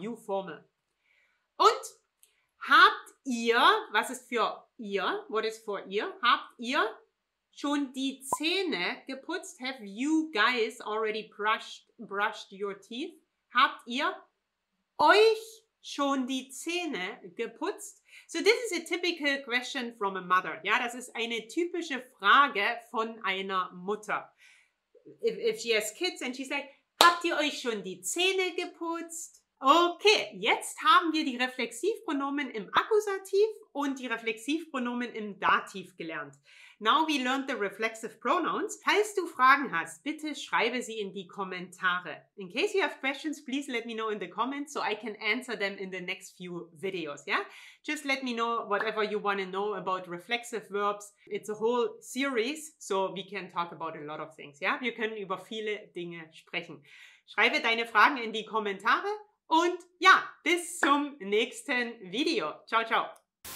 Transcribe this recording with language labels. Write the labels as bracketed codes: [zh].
[en] You formal. [de] Und habt ihr, was ist für ihr? [en] What is for ihr? [de] Habt ihr schon die Zähne geputzt? [en] Have you guys already brushed your teeth? [de] Habt ihr euch schon die Zähne geputzt? [en] So this is a typical question from a mother. [de] Ja, das ist eine typische Frage von einer Mutter. [en] If she has kids and she's like, [de] habt ihr euch schon die Zähne geputzt? Okay, jetzt haben wir die Reflexivpronomen im Akkusativ und die Reflexivpronomen im Dativ gelernt. [en] Now we learned the reflexive pronouns. [de] Falls du Fragen hast, bitte schreibe sie in die Kommentare. [en] In case you have questions, please let me know in the comments so I can answer them in the next few videos, yeah? Just let me know whatever you want to know about reflexive verbs. It's a whole series, so we can talk about a lot of things, yeah? [de] Wir können über viele Dinge sprechen. Schreibe deine Fragen in die Kommentare. Und ja, bis zum nächsten Video. Ciao, ciao.